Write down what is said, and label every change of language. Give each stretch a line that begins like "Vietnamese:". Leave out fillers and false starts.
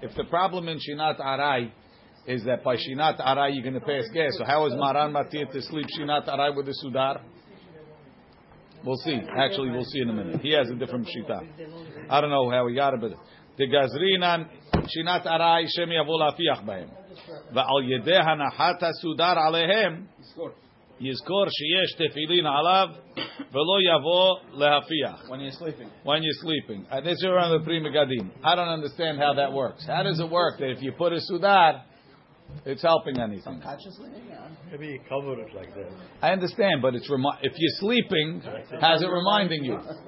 English: If the problem in Shinat Arai is that by Shinat Arai you're going to pay his gas, so how is Maran Matir to sleep Shinat Arai with the Sudar? We'll see. Actually, we'll see in a minute. He has a different Shita. I don't know how he got it, but the
Hebrew: Gazrinan Shinat Arai Shem Yavul Afiach Bahem. ועל ידי הנחת הסודר עליהם יזכור שיש תפילין עליו ולא יבוא להפיח.
English: When you're sleeping. When you're sleeping. This is around the Prima Gadim. I don't understand how that works. How does it work that if you put a sudar, it's helping anything? Subconsciously? Maybe you cover it like that. I understand, but it's if you're sleeping, how's it reminding you?